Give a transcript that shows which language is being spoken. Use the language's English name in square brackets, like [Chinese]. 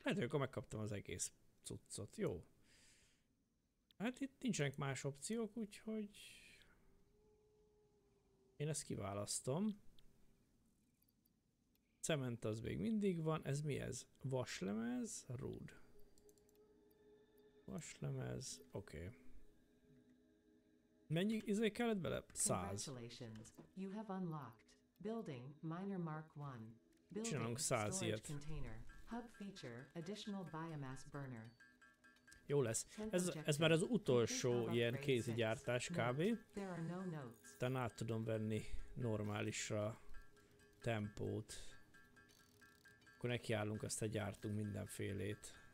[Hungarian] Lehet, hogy akkor megkaptam az egész cuccot. Jó. Hát itt nincsenek más opciók, úgyhogy én ezt kiválasztom. Cement az még mindig van. Ez mi ez? Vaslemez? Rúd. Vaslemez. Oké. Okay. Mennyi izé kellett bele? 100. [English] You have unlocked building miner mark 1. Building storage container. Hub feature additional biomass burner. [Hungarian] Jó lesz. Ez már az utolsó ilyen kézi gyártás kb. Utána át tudom venni normálisra tempót. Akkor nekiállunk, azt a gyártunk mindenfélét.